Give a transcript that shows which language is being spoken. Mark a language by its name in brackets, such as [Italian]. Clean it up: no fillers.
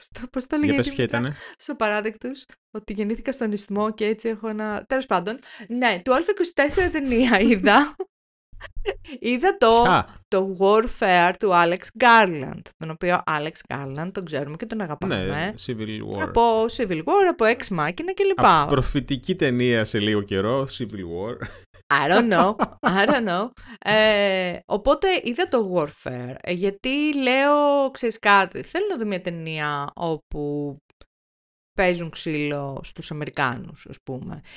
[Greek] Πώς το λέγεται. Για πες ποια ήταν. Στο παράδεκτους, ότι γεννήθηκα στον Ισθμό και έτσι έχω ένα... Τέλος πάντων, ναι, του A24 ταινία είδα. Είδα το Warfare του Alex Garland, τον οποίο Alex Garland τον ξέρουμε και τον αγαπάμε. Ναι, Civil War. Από Civil War, από Ex Machina κλπ. Προφητική ταινία σε λίγο καιρό, Civil War. [English] I don't know. [Greek] Οπότε είδα το Warfare, γιατί λέω, ξέρεις κάτι, θέλω να δω μια ταινία όπου παίζουν ξύλο στους Αμερικάνους, ας πούμε.